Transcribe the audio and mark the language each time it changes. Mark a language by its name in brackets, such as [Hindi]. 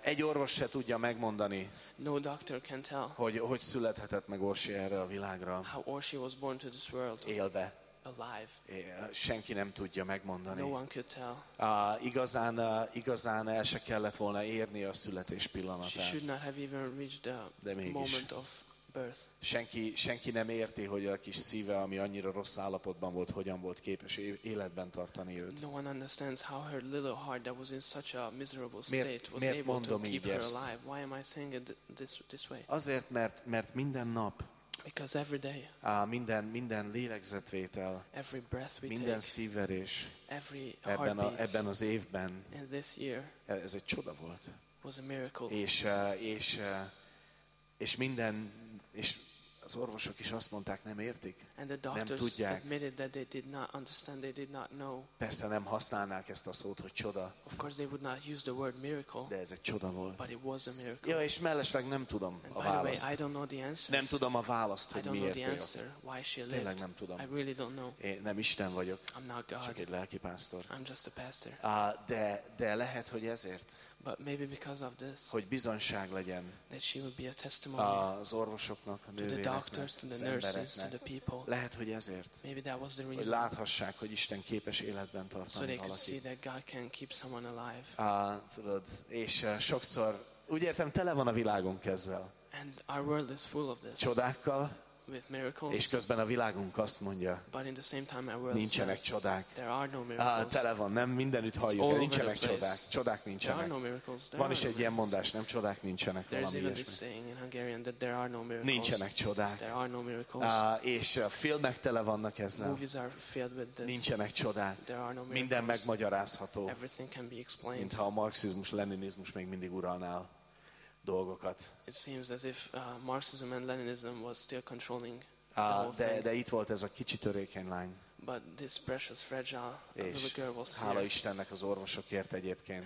[Hungarian] Egy orvos se tudja megmondani. [English] No doctor can tell. [Hungarian] Hogy születhetett meg Orsi erre a világra. [English] How Orsi was born to this world. [Hungarian] Élve. [English] Alive. [Hungarian] Senki nem tudja megmondani. [English] No one could tell. [Hungarian] Igazán el se kellett volna érni a születés pillanatát. [English] She should not have even reached the moment of birth. [Hungarian] Senki nem érti, hogy a kis szíve, ami annyira rossz állapotban volt, hogyan volt képes életben tartani őt. [English] No one understands how her little heart that was in such a miserable state was able to keep her alive. Why am I saying it this way? [Hungarian] Azért, mert minden nap. [English] Because every day, [Hungarian] minden lélegzetvétel, [English] every breath we [Hungarian] minden [English] take, [Hungarian] szíverés [English] every [Hungarian] ebben, [English] heartbeat, [Hungarian] a, ebben az évben, [English] in this year, [Hungarian] ez egy csoda volt. [English] Was a miracle. [Hungarian] És minden, és az orvosok is azt mondták, nem értik, [English] and the [Hungarian] nem tudják. [English] Admitted that they did not understand, they did not know. [Hungarian] Persze nem használnák ezt a szót, hogy csoda. [English] Of course they would not use the word miracle. [Hungarian] De ez egy csoda volt. [English] But it was a miracle. [Hungarian] Ja, és mellesleg nem tudom [English] and [Hungarian] a választ. [English] By the way, I don't know the answers. [Hungarian] Nem tudom a választ, hogy miért élt. [English] I don't know the answer, why she lived. [Hungarian] Tényleg nem tudom. [English] I really don't know. [Hungarian] Én nem Isten vagyok. [English] I'm not God. [Hungarian] Csak egy lelki pásztor. [English] I'm just a pastor. [Hungarian] De lehet, hogy ezért. [English] But maybe because of this, [Hungarian] hogy bizonyság legyen [English] that she would be a testimony [Hungarian] az orvosoknak, a nővéreknek, [English] to the doctors, to the nurses, to the people. [Hungarian] Lehet, hogy ezért. [English] Maybe that was the reason. [Hungarian] Hogy láthassák, hogy Isten képes életben tartani [English] so [Hungarian] valakit. [English] So they could see that God can keep someone alive. [Hungarian] Tudod, és sokszor, úgy értem, tele van a világunk ezzel. [English] And our world is full of this. [Hungarian] Csodákkal. [English] With miracles. [Hungarian] És közben a világunk azt mondja, [English] but in the same time our world [Hungarian] nincsenek [English] says, [Hungarian] csodák. [English] There are no miracles. [Hungarian] Tele van, nem mindenütt halljuk, nincsenek csodák. Csodák nincsenek. [English] There are no miracles. There [Hungarian] van [English] are is no [Hungarian] egy ilyen mondás, nem csodák nincsenek. [English] There's even this saying in Hungarian that there are no miracles. [Hungarian] Nincsenek csodák. [English] There are no miracles. [Hungarian] És filmek tele vannak ezzel. [English] Movies are filled with this. [Hungarian] Nincsenek csodák. [English] There are no miracles. [Hungarian] Minden megmagyarázható. [English] Everything can be explained. [Hungarian] Mintha a marxizmus, leninizmus még mindig uralnál. Dolgokat. [English] It seems as if Marxism and Leninism was still controlling the whole thing. [Hungarian] De itt volt ez a kicsi törékeny lány. [English] But this precious, fragile little girl was [Hungarian] hála [English] here. [Hungarian] Istennek az orvosokért egyébként.